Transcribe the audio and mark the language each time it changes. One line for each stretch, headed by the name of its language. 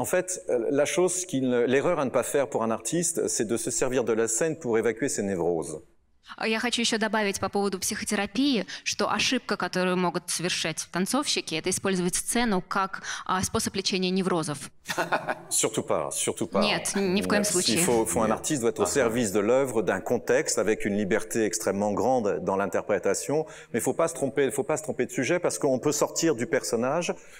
French: En fait, la chose l'erreur à ne pas faire pour un artiste, c'est de se servir de la scène pour évacuer ses névroses.
Russian: Я хочу еще добавить по поводу психотерапии, что ошибка, которую могут совершать танцовщики, это использовать сцену как способ лечения неврозов.
French: Surtout pas.
Russian: Нет, ни в коем случае.
French: Un artiste doit être au service de l'œuvre, d'un contexte, avec une liberté extrêmement grande dans l'interprétation. Mais faut pas se tromper de sujet, parce qu'on peut sortir du personnage.